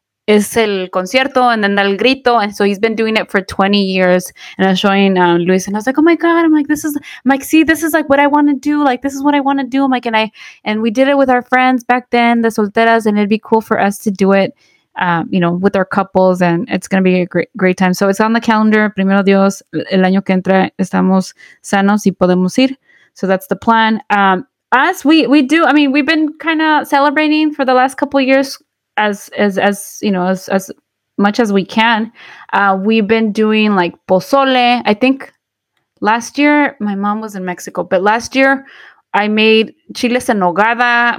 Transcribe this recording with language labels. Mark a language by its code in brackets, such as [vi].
[es] es el concierto, [en] and then el grito. And so he's been doing it for 20 years. And I was showing Luis, and I was like, oh my God. I'm like, this is, I'm like, see, this is like what I want to do. Like, this is what I want to do. I'm like, and I, and we did it with our friends back then, the solteras, and it'd be cool for us to do it, you know, with our couples, and it's going to be a great time. So it's on the calendar. [es] Primero Dios, el año que entra, estamos sanos y podemos ir. [en] So that's the plan. We do, I mean, we've been kind of celebrating for the last couple of years as you know, as much as we can. We've been doing like pozole. I think last year, my mom was in Mexico, but last year I made chiles en nogada.